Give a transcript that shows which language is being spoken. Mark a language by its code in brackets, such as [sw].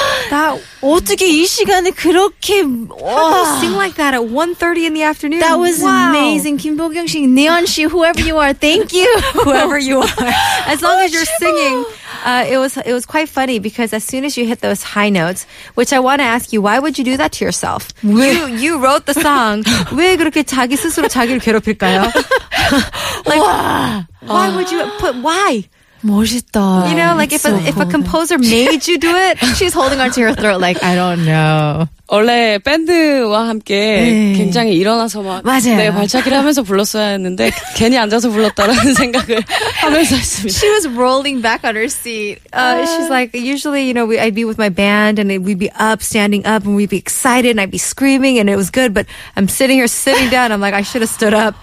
[ko] 나 어떻게 이 시간에 그렇게 [en] How do you sing like that at 1:30 in the afternoon? That was wow. amazing. Kim Bok-young 씨, Neon 씨, whoever you are, thank you. Whoever you are. As long as you're singing. It was quite funny because as soon as you hit those high notes, which I want to ask you, why would you do that to yourself? You wrote the song. [ko] 왜 그렇게 자기 스스로 자기를 괴롭힐까요? [en] Like, why would you put why? [ko] 멋있다. [en] You know, like if a composer made you do it, she's holding onto her throat like I don't know. [ko] 원래 밴드와 함께 네. 굉장히 일어나서 막 맞아요. 내가 발차기를 하면서 불렀어야 했는데 괜히 앉아서 불렀다라는 생각을 하면서 했습니다. [en] She was rolling back on her seat. She's like, usually, you know, I'd be with my band and we'd be up, standing up, and we'd be excited and I'd be screaming and it was good, but I'm sitting here, sitting down. I'm like, I should have stood up.